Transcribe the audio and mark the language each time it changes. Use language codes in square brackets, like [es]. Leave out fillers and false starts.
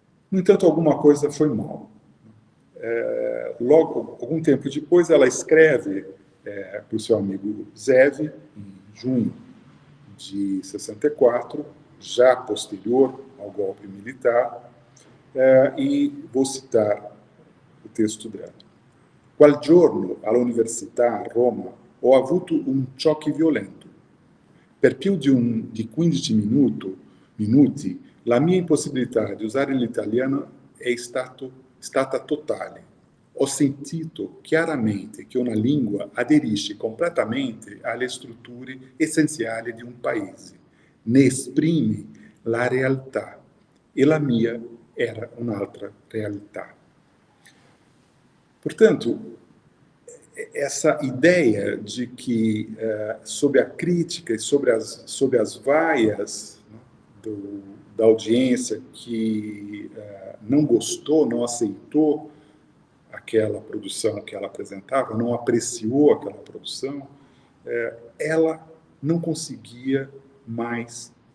[pt] No entanto, alguma coisa foi mal. Logo, algum tempo depois, ela escreve para o seu amigo Zeve, em junho de 64, já posterior ao golpe militar, e vou citar o texto dela. [it] Quel giorno all'università a Roma ho avuto un choque violento. Per più di 15 minuti, la mia impossibilità di usare l'italiano è stata totale. Ho sentito chiaramente che una lingua aderisce completamente alle strutture essenziali di un paese, ne esprime la realtà, e la mia era un'altra realtà. [pt] Portanto, essa ideia de que, sob a crítica e sob as vaias, né, da audiência que, não gostou, não aceitou aquela produção que ela apresentava, não apreciou aquela produção, ela não conseguia mais